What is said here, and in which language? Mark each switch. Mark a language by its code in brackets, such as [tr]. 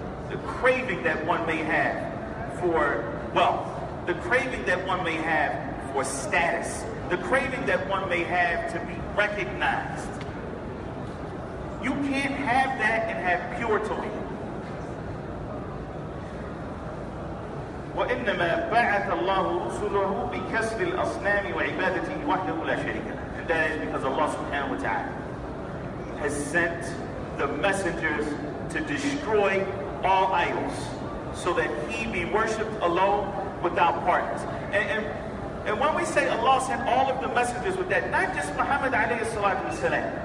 [en] The craving that one may have for wealth, the craving that one may have for status, the craving that one may have to be recognized. You can't have that and have pure tawheed. [ar] وإنما بعث الله رسله بكسر الأصنام وعبادته وحده لا شريك له. [en] And that is because Allah subhanahu wa ta'ala has sent the messengers to destroy all idols, so that he be worshipped alone without partners. And when we say Allah sent all of the messengers with that, not just Muhammad alayhi salatu wa salam.